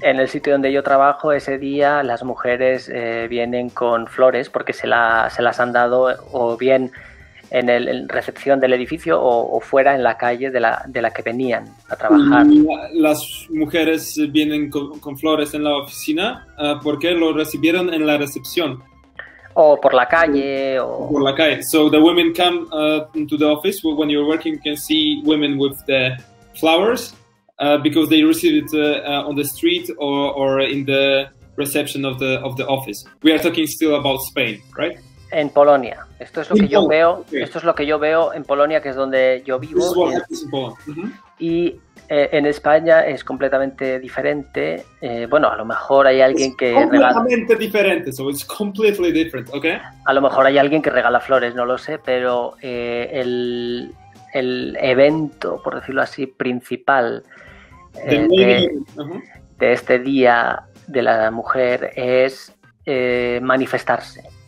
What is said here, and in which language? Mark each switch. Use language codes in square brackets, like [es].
[es] En el sitio donde yo trabajo, ese día las mujeres vienen con flores porque se las han dado o bien en recepción del edificio o fuera en la calle de la que venían a trabajar. Las mujeres vienen con flores en la oficina porque lo recibieron en la recepción. O por la calle. Por la calle. [en] So the women come to the office when you're working. You can see women with the flowers because they received it on the street or in the reception of the office. We are talking still about Spain, right? [es] En Polonia. Esto es lo [en] in [es] que [en] Poland. [es] Yo veo. [en] Okay. [es] Esto es lo que yo veo en Polonia, que es donde yo vivo. [en] This is what happens in Poland. Mm-hmm. [es] Y en España es completamente diferente. Bueno, a lo mejor hay alguien que regala... Completamente diferente, [en] so it's completely different, okay? [es] A lo mejor hay alguien que regala flores, no lo sé, pero el evento, por decirlo así, principal de este Día de la Mujer es manifestarse.